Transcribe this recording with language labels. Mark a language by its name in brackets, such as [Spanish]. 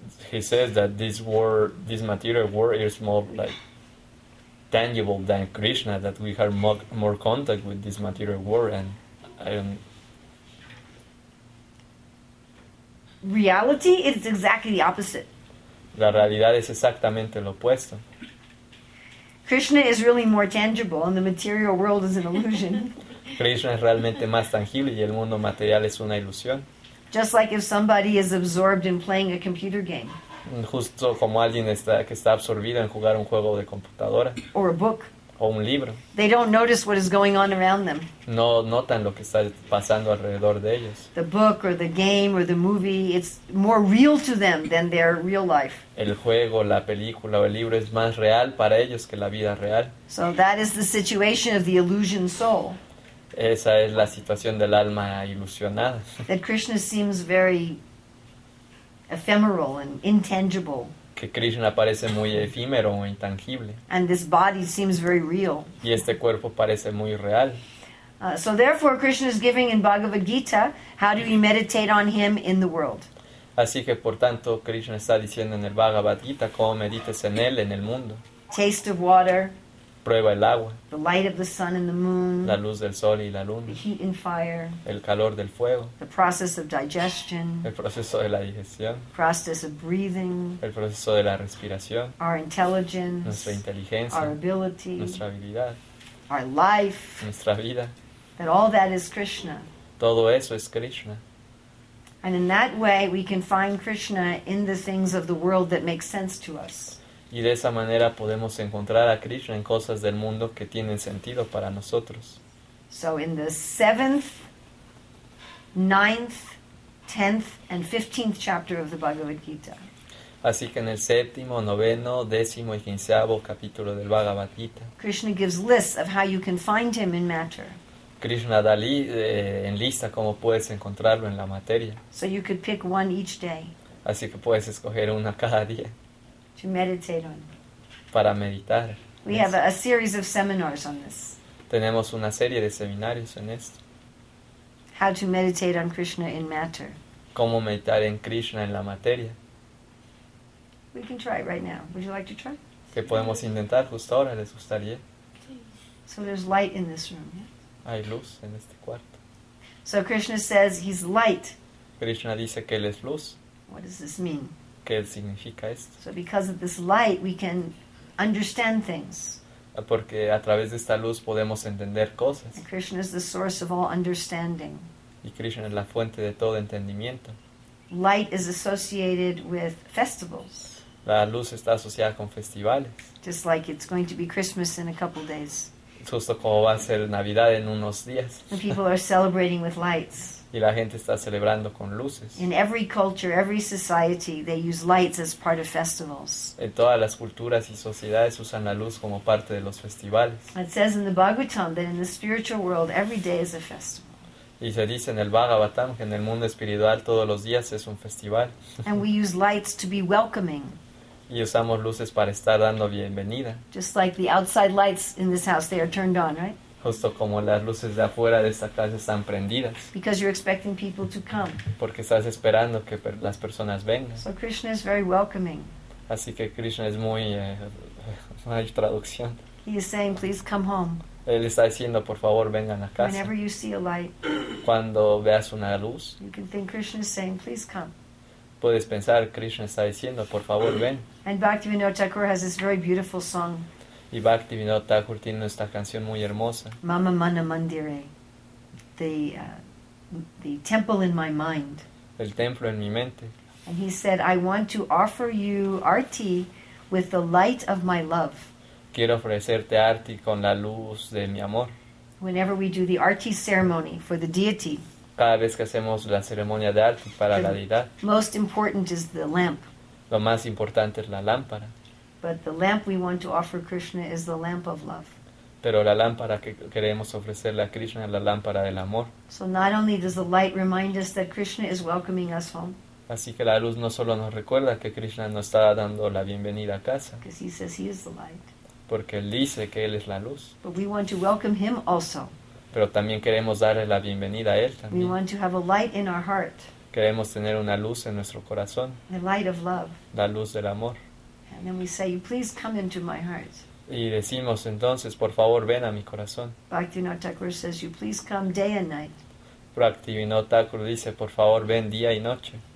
[English] He says that this material world is more like tangible than Krishna, that we have more contact with this material world, and I don't. Reality is exactly the opposite. [Spanish] La realidad es exactamente lo opuesto. [English] Krishna is really more tangible, and the material world is an illusion. [Spanish] Krishna es realmente más tangible y el mundo material es una ilusión. [English] Just like if somebody is absorbed in playing a computer game. [Spanish] Justo como alguien que está absorbido en jugar un juego de computadora. [English] Or a book. [Spanish] O un libro. [English] They don't notice what is going on around them. [Spanish] No notan lo que está pasando alrededor de ellos. [English] The book or the game or the movie, it's more real to them than their real life. [Spanish] El juego, la película o el libro es más real para ellos que la vida real. [English] So that is the situation of the illusion soul. [Spanish] Esa es la situación del alma ilusionada. [English] That Krishna seems very ephemeral and intangible. [Spanish] Que Krishna parece muy efímero o intangible. [English] And this body seems very real. [Spanish] Y este cuerpo parece muy real. [English] So therefore Krishna is giving in Bhagavad Gita how do we meditate on him in the world. [Spanish] Así que por tanto Krishna está diciendo en el Bhagavad Gita cómo medites en él en el mundo. [English] Taste of water. [Spanish] Prueba el agua. [English] The light of the sun and the moon. [Spanish] La luz del sol y la luna. [English] The heat and fire. [Spanish] El calor del fuego. [English] The process of digestion. [Spanish] El proceso de la digestión. [English] Process of breathing. [Spanish] El proceso de la respiración. [English] Our intelligence. [Spanish] Nuestra inteligencia. [English] Our ability. [Spanish] Nuestra habilidad. [English] Our life. [Spanish] Nuestra vida. [English] That all that is Krishna. [Spanish] Todo eso es Krishna. [English] And in that way we can find Krishna in the things of the world that make sense to us. [Spanish] Y de esa manera podemos encontrar a Krishna en cosas del mundo que tienen sentido para nosotros. [English] So in the 7th, 9th, 10th and 15th chapter of the Bhagavad Gita. [Spanish] Así que en el 7º, 9º, 10º y 15º capítulo del Bhagavad Gita. [English] Krishna gives lists of how you can find him in matter. [Spanish] Krishna da en lista cómo puedes encontrarlo en la materia. [English] So you could pick one each day. [Spanish] Así que puedes escoger una cada día. [English] To meditate on. [Spanish] Para meditar. [English] We have a series of seminars on this. [Spanish] Tenemos una serie de seminarios en esto. [English] How to meditate on Krishna in matter. [Spanish] Cómo meditar en Krishna en la materia. [English] We can try it right now. Would you like to try? [Spanish] Que podemos intentar justo ahora, ¿les gustaría? [English] So there's light in this room, yeah? [Spanish] Hay luz en este cuarto. [English] So Krishna says he's light. [Spanish] Krishna dice que él es luz. [English] What does this mean? [Spanish] ¿Qué significa esto? [English] So because of this light we can understand things. [Spanish] Porque a través de esta luz podemos entender cosas. [English] And Krishna is the source of all understanding. [Spanish] Y Krishna es la fuente de todo entendimiento. [English] Light is associated with festivals. [Spanish] La luz está asociada con festivales. [English] Just like it's going to be Christmas in a couple days. [Spanish] Justo como va a ser Navidad en unos días. [English] And people are celebrating with lights. [Spanish] Y la gente está celebrando con luces. [English] In every culture, every society, they use lights as part of festivals. [Spanish] En todas las culturas y sociedades usan la luz como parte de los festivales. [English] It says in the Bhagavatam that in the spiritual world, every day is a festival. [Spanish] Y se dice en el Bhagavatam que en el mundo espiritual todos los días es un festival. [English] And we use lights to be welcoming. [Spanish] Y usamos luces para estar dando bienvenida. [English] Just like the outside lights in this house, they are turned on, right? [Spanish] Justo como las luces de afuera de esta casa están prendidas. [English] Because you're expecting people to come. [Spanish] Porque estás esperando que las personas vengan. [English] So Krishna is very welcoming. [Spanish] Así que Krishna es muy una traducción. [English] He is saying, please come home. [Spanish] Él está diciendo, por favor, vengan a casa. [English] Whenever you see a light, [Spanish] cuando veas una luz, [English] you can think Krishna is saying, please come. [Spanish] Puedes pensar, Krishna está diciendo, por favor, ven. [English] And Bhaktivinoda Thakur has this very beautiful song. [Spanish] Y Bhaktivinoda Thakur tiene esta canción muy hermosa. [English] Mama Mana Mandire, the temple in my mind. [Spanish] El templo en mi mente. [English] And he said, I want to offer you arti with the light of my love. [Spanish] Quiero ofrecerte arti con la luz de mi amor. [English] Whenever we do the arti ceremony for the deity. [Spanish] Cada vez que hacemos la ceremonia de arti para la deidad. [English] Most important is the lamp. [Spanish] Lo más importante es la lámpara. [English] But the lamp we want to offer Krishna is the lamp of love. [Spanish] Pero la lámpara que queremos ofrecerle a Krishna es la lámpara del amor. [English] So not only does the light remind us that Krishna is welcoming us home. [Spanish] Así que la luz no solo nos recuerda que Krishna nos está dando la bienvenida a casa. [English] Because he says he is the light. [Spanish] Porque él dice que él es la luz. [English] But we want to welcome him also. [Spanish] Pero también queremos darle la bienvenida a él también. [English] We want to have a light in our heart. [Spanish] Queremos tener una luz en nuestro corazón. [English] The light of love. [Spanish] La luz del amor. [English] And then we say, please come into my heart. [Spanish] Y decimos entonces, por favor, ven a mi corazón. [English] Bhaktivinoda Thakur says, you please come day and night. [Spanish] Bhaktivinoda Thakur dice, por favor, ven día y noche.